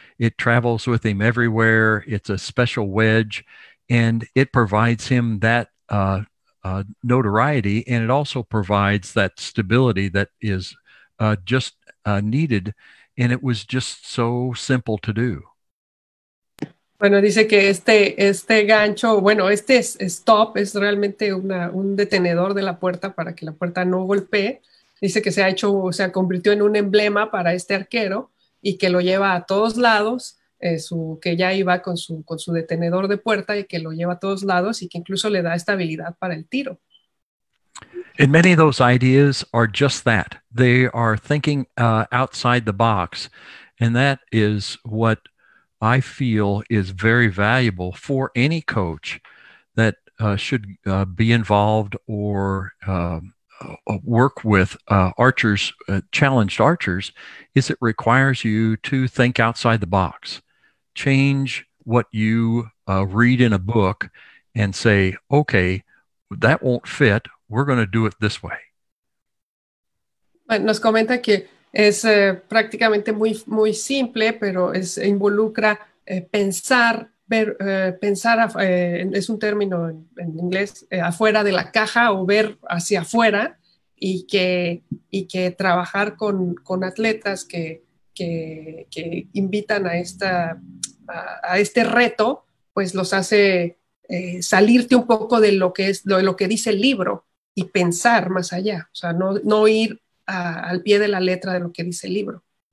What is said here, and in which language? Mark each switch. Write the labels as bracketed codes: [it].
[en] It travels with him everywhere. It's a special wedge, and it provides him that notoriety, and it also provides that stability that is needed, and it was just so simple to do. [es] Bueno, dice que este gancho, bueno, este stop es realmente un detenedor de la puerta para que la puerta no golpee. Dice que se convirtió en un emblema para este arquero y que lo lleva a todos lados, que ya iba con su detenedor de puerta y que lo lleva a todos lados y que incluso le da estabilidad para el tiro. [en] And many of those ideas are just that. They are thinking outside the box. And that is what I feel is very valuable for any coach that should be involved or work with archers, challenged archers, is it requires you to think outside the box. Change what you read in a book and say, okay, that won't fit. We're going to do it this way. [es] Nos comenta que es prácticamente muy, muy simple, pero involucra pensar, es un término en inglés, afuera de la caja o ver hacia afuera. Y que trabajar con atletas que invitan a este reto, pues los hace salirte un poco de lo que dice el libro y pensar más allá, o sea, no ir al pie de la letra de lo que dice el libro.